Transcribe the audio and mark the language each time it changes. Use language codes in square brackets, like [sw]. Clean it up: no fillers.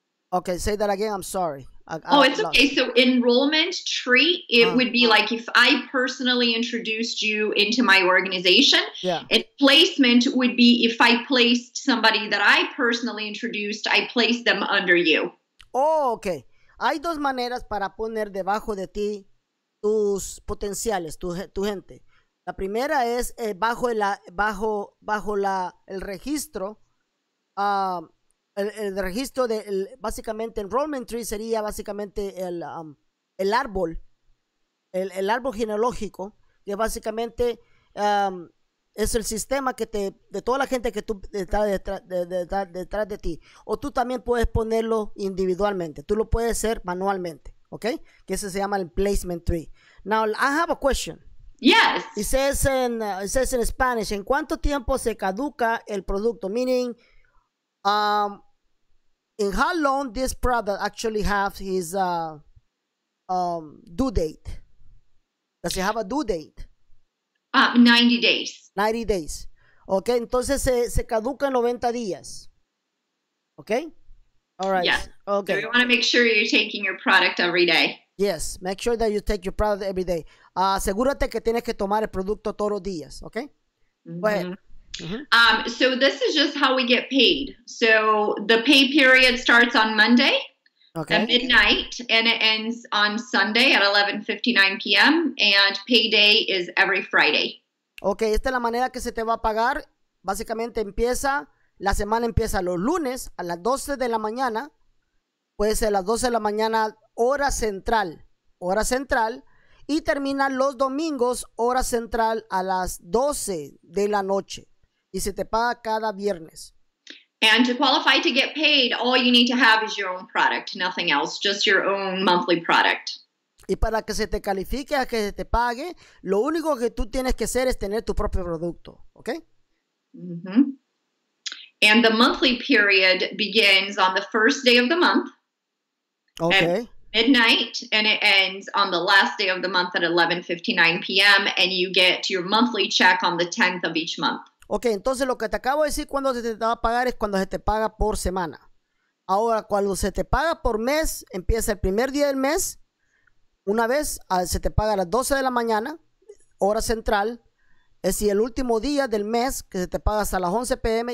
[en] Okay, say that again. I'm sorry. Okay. So enrollment tree, it would be like if I personally introduced you into my organization. Yeah. And placement would be if I placed somebody that I personally introduced, I placed them under you. Oh, okay. [es] Hay dos maneras para poner debajo de ti tus potenciales, tu gente. La primera es bajo el registro. El registro de básicamente [en] enrollment tree [es] sería básicamente el árbol árbol genealógico, que básicamente es el sistema que te de toda la gente que tú detrás de ti. O tú también puedes ponerlo individualmente, tú lo puedes hacer manualmente, okay, que ese se llama el [en] placement tree. Now I have a question. Yes. It says in Spanish, [es] ¿en cuánto tiempo se caduca el producto? [en] Meaning in how long this product actually have his due date? Does it have a due date? 90 days. 90 days. Okay, [es] entonces se caduca en 90 días. [en] Okay? All right. Yeah. Okay. So you want to make sure you're taking your product every day. Yes, make sure that you take your product every day. [es] Asegúrate que tienes que tomar el producto todos los días, okay? [en] Mm-hmm. Go ahead. Mm-hmm. So this is just how we get paid. So the pay period starts on Monday at midnight, and it ends on Sunday at 11:59 p.m. And payday is every Friday. [es] Okay, esta es la manera que se te va a pagar. Básicamente empieza, la semana empieza los lunes a las 12 de la mañana. Puede ser las 12 de la mañana, hora central, hora central. Y termina los domingos, hora central, a las 12 de la noche. Y se te paga cada viernes. [en] And to qualify to get paid, all you need to have is your own product, nothing else, just your own monthly product. [es] Y para que se te califique a que se te pague, lo único que tú tienes que hacer es tener tu propio producto, ¿ok? [en] Mm-hmm. And the monthly period begins on the first day of the month. Okay. At midnight, and it ends on the last day of the month at 11:59 p.m., and you get your monthly check on the 10th of each month. [es] Ok, entonces lo que te acabo de decir cuando se te va a pagar es cuando se te paga por semana. Ahora, cuando se te paga por mes, empieza el primer día del mes. Una vez se te paga a las 12 de la mañana, hora central, es decir, el último día del mes que se te paga hasta las 11 p.m.